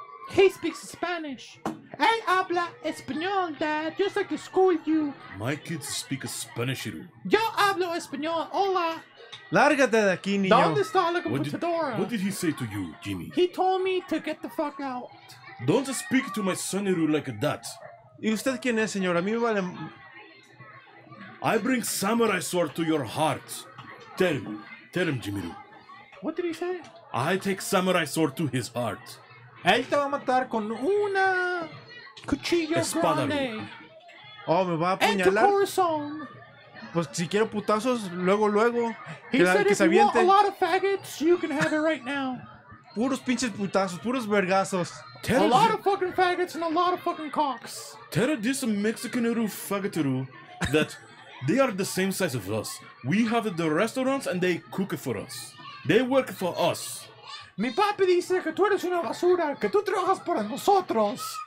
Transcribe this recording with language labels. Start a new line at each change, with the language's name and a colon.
English: He speaks Spanish.
Spanish: Él habla español,
English: Dad, just like the school you. My kids speak Spanish, you.
Spanish: Yo hablo español, hola. Lárgate de aquí, niño. ¿Dónde está la computadora?
English: What did he say to you, Jimmy? He told me to get the fuck out. Don't speak to my son, you, like that.
Spanish: ¿Y usted quién es, señor? A mí me vale...
English: I bring samurai sword to your heart. Tell him, Jimmy. What did he say? I take samurai sword to his heart.
Spanish: Él te va a matar con una cuchillo espada grande. Oh, me va a apuñalar. En tu corazón. Pues si quiero putazos, luego.
English: He said if you want a lot of faggots, you can have it right now.
Spanish: Puros pinches putazos, puros vergazos.
English: A lot of fucking faggots and a lot of fucking cocks. Tell this Mexicanero faggotero that they are the same size as us. We have the restaurants and they cook it for us. They work for us.
Spanish: Mi papi dice que tú eres una basura, que tú trabajas para nosotros.